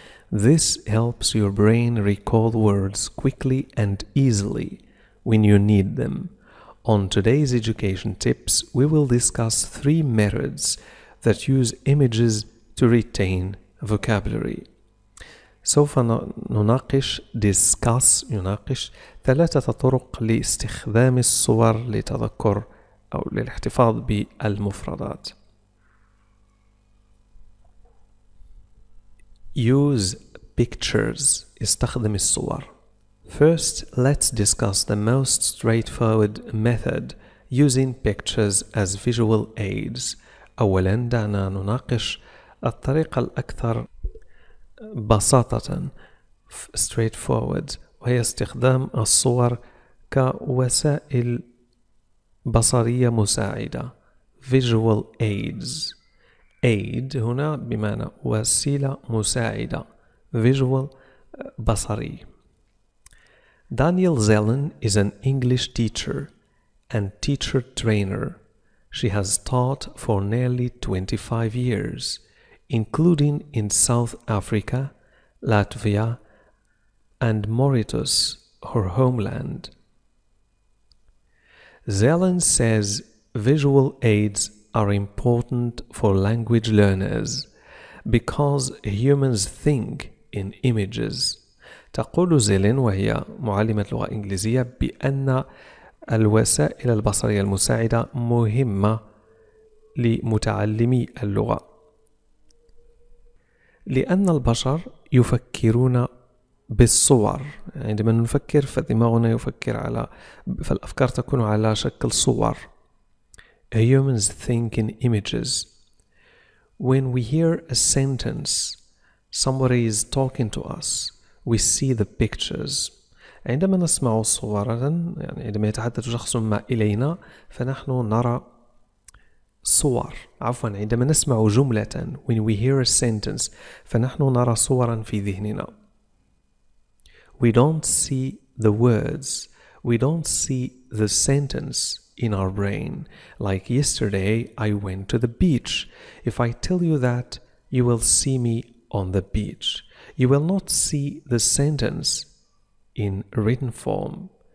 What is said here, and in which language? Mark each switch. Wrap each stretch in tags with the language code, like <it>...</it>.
<en>This helps your brain recall words quickly and easily when you need them. On today's education tips, we will discuss three methods that use images to retain vocabulary.</en> <ar>سوف نناقش discuss يناقش ثلاثة طرق لاستخدام الصور لتذكر أو للاحتفاظ بالمفردات.</ar> <en>Use pictures.</en> <ar>استخدم الصور.</ar> <en>First, let's discuss the most straightforward method using pictures as visual aids.</en> <ar>أولا دعنا نناقش الطريقة الأكثر بساطة, straightforward, وهي استخدام الصور كوسائل بصرية مساعدة.</ar> <en>Visual aids.</en> <ar>Aid هنا بمعنى وسيلة مساعدة.</ar> <en>Visual,</en> <ar>بصري.</ar> <en>Daniel Zellen is an English teacher and teacher trainer. She has taught for nearly 25 years, including in South Africa, Latvia, and Mauritius, her homeland. Zellen says visual aids are important for language learners because humans think in images.</en> <ar>تقول زيلين وهي معلمة لغة إنجليزية بأن الوسائل البصرية المساعدة مهمة لمتعلمي اللغة لأن البشر يفكرون بالصور. عندما نفكر فدماغنا يفكر على فالأفكار تكون على شكل صور.</ar> <en>Humans think in images. When we hear a sentence, somebody is talking to us, we see the pictures.</en> <ar>عندما نسمع صورا, يعني عندما يتحدث شخص ما إلينا, فنحن نرى صور. عفوا, عندما نسمع جملة,</ar> <en>when we hear a sentence,</en> <ar>فنحن نرى صورا في ذهننا.</ar> <en>We don't see the words. We don't see the sentence in our brain. Like yesterday, I went to the beach. If I tell you that, you will see me on the beach. You will not see the sentence in written form.</en>